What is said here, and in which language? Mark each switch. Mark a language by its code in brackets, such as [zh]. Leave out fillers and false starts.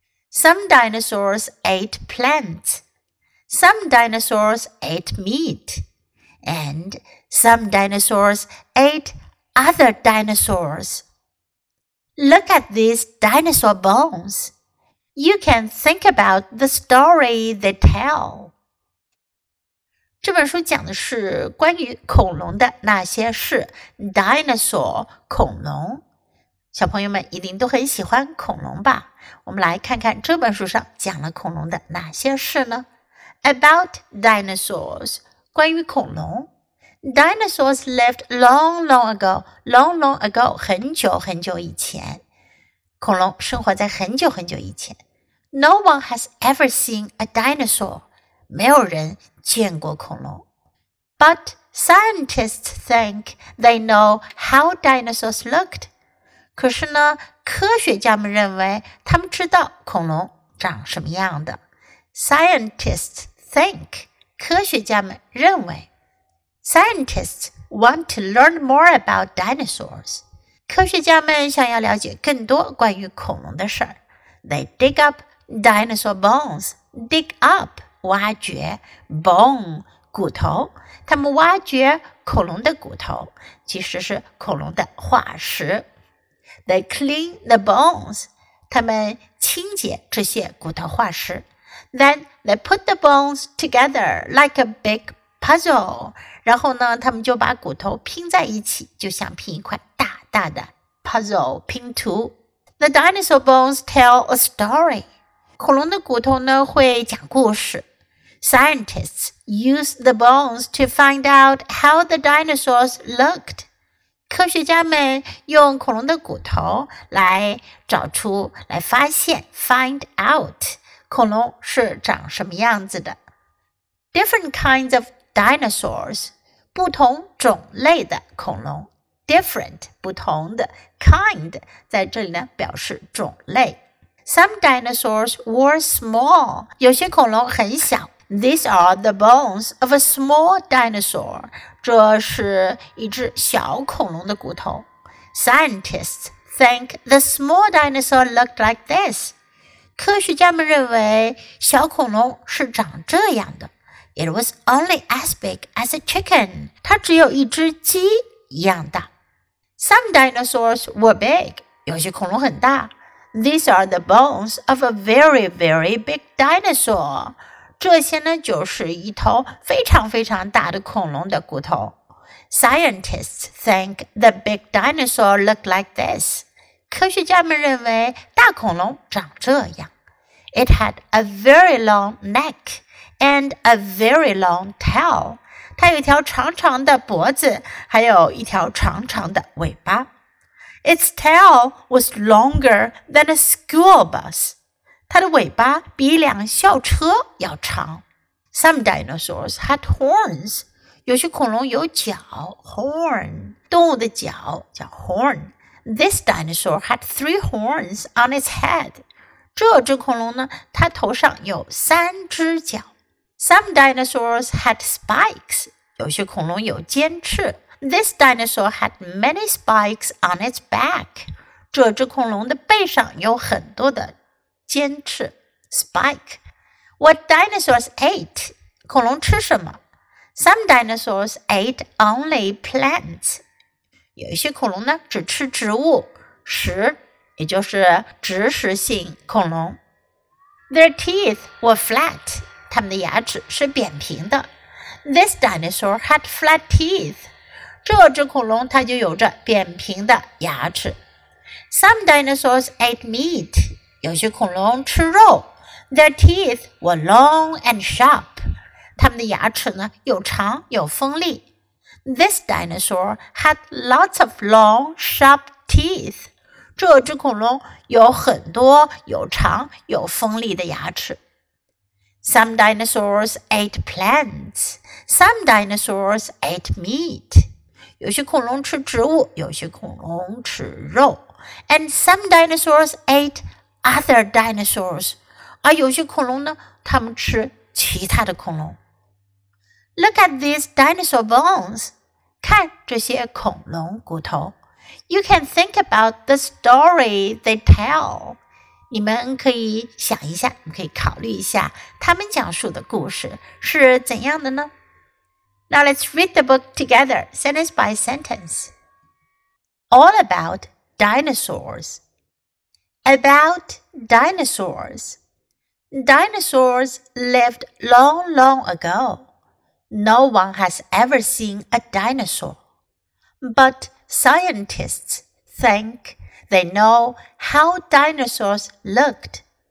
[en] Some dinosaurs ate plants. Some dinosaurs ate meat. And some dinosaurs ate other dinosaurs. Look at these dinosaur bones. You can think about the story they tell. [zh] 这本书讲的是关于恐龙的那些事 ,dinosaur, 恐龙。小朋友们一定都很喜欢恐龙吧。我们来看看这本书上讲了恐龙的哪些事呢 ? [en] About dinosaurs, [zh] 关于恐龙。 [en] Dinosaurs lived long, long ago, long, long ago, [zh] 很久很久以前。恐龙生活在很久很久以前。 [en] No one has ever seen a dinosaur. [zh] 没有人见过恐龙。 [en] But scientists think they know how dinosaurs looked. [zh] 可是呢，科学家们认为他们知道恐龙长什么样的。 [en] Scientists think, [zh] 科学家们认为。 [en] Scientists want to learn more about dinosaurs. [zh] 科学家们想要了解更多关于恐龙的事。 [en] They dig up dinosaur bones. Dig up. [zh] 挖掘 bone 骨头，他们挖掘恐龙的骨头，其实是恐龙的化石。 [en] They clean the bones， [zh] 他们清洁这些骨头化石。 [en] Then they put the bones together like a big puzzle， [zh] 然后呢，他们就把骨头拼在一起，就像拼一块大大的 puzzle 拼图。 [en] The dinosaur bones tell a story， [zh] 恐龙的骨头呢会讲故事。 [en] Scientists use the bones to find out how the dinosaurs looked. [zh] 科学家们用恐龙的骨头来找出，来发现 ,find out, 恐龙是长什么样子的。 [en] Different kinds of dinosaurs, [zh] 不同种类的恐龙。 Different, 不同的 kind, 在这里呢表示种类。 [en] Some dinosaurs were small, [zh] 有些恐龙很小。 [en] These are the bones of a small dinosaur. [zh] 这是一只小恐龙的骨头。 [en] Scientists think the small dinosaur looked like this. [zh] 科学家们认为小恐龙是长这样的。 [en] It was only as big as a chicken. [zh] 它只有一只鸡一样大。 [en] Some dinosaurs were big. [zh] 有些恐龙很大。 [en] These are the bones of a very, very big dinosaur. [zh] 这些呢就是一头非常非常大的恐龙的骨头。 [en] Scientists think the big dinosaur looked like this. [zh] 科学家们认为大恐龙长这样。 [en] It had a very long neck and a very long tail. [zh] 它有一条长长的脖子，还有一条长长的尾巴。 [en] Its tail was longer than a school bus. [zh] 它的尾巴比两校车要长。 [en] Some dinosaurs had horns. [zh] 有些恐龙有角 ,horn. 动物的角叫 horn. [en] This dinosaur had three horns on its head. [zh] 这只恐龙呢它头上有三只角。 [en] Some dinosaurs had spikes. [zh] 有些恐龙有尖翅。 [en] This dinosaur had many spikes on its back. [zh] 这只恐龙的背上有很多的尖翅 spike. [en] What dinosaurs ate? [zh] 恐龙吃什么? [en] Some dinosaurs ate only plants. [zh] 有一些恐龙呢只吃植物食也就是植食性恐龙。 [en] Their teeth were flat. [zh] 它们的牙齿是扁平的。 [en] This dinosaur had flat teeth. [zh] 这只恐龙它就有着扁平的牙齿。 [en] Some dinosaurs ate meat. [zh] 有些恐龙吃肉。 [en] Their teeth were long and sharp. [zh] 它们的牙齿呢又长又锋利。 [en] This dinosaur had lots of long, sharp teeth. [zh] 这只恐龙有很多有长有锋利的牙齿。 [en] Some dinosaurs ate plants. Some dinosaurs ate meat. [zh] 有些恐龙吃植物，有些恐龙吃肉。 [en] And some dinosaurs ate other dinosaurs. [zh] 而有些恐龙呢，它们吃其他的恐龙。 [en] Look at these dinosaur bones. [zh] 看这些恐龙骨头。 [en] You can think about the story they tell. [zh] 你们可以想一下，你可以考虑一下，他们讲述的故事是怎样的呢？ [en] Now let's read the book together, sentence by sentence. All about dinosaurs. About dinosaurs. Dinosaurs lived long, long ago. No one has ever seen a dinosaur. But scientists think they know how dinosaurs looked.